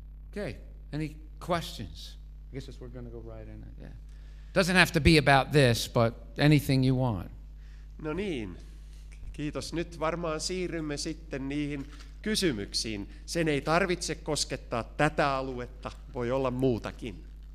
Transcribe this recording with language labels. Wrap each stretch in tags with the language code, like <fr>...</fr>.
<en>Okay, any questions? I guess that's we're going to go right in. Yeah. Doesn't have to be about this, but anything you want.</en> <fi>No niin, kiitos. Nyt varmaan siirrymme sitten niihin kysymyksiin. Sen ei tarvitse koskettaa tätä aluetta, voi olla muutakin.</fi>